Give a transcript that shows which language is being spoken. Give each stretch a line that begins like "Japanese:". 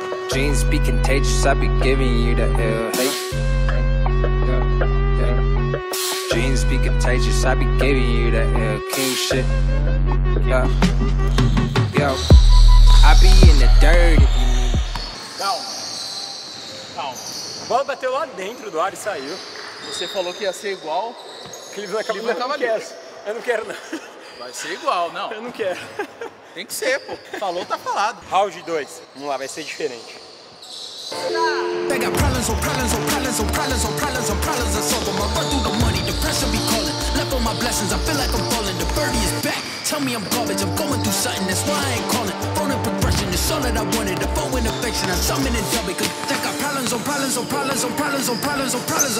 English: Genes be contagious, I be giving you the ill hate. Yeah, yeah. Genes be contagious, I be giving you the ill king shit. Yeah, yo, I be in the dirt if you need.
Portuguese: Calma. A bola bateu lá dentro do ar e saiu. Você falou que ia ser igual. Clive vai acabar. Eu não quero, não. Vai ser igual, não. Eu não quero. Tem que ser, pô. Falou, tá falado.
English: Round 2.
Portuguese: Vamos lá, vai ser diferente.
English: They got problems on problems on problems on problems on problems on problems. I solve them. I run through the money. The pressure be calling. Left on my blessings. I feel like I'm falling. The birdie is back. Tell me I'm garbage. I'm going through something. That's why I ain't calling. Phone in progression. It's all that I wanted. The foe in affection. I summon and dub it. Cause they got problems on problems on problems on problems on problems on problems.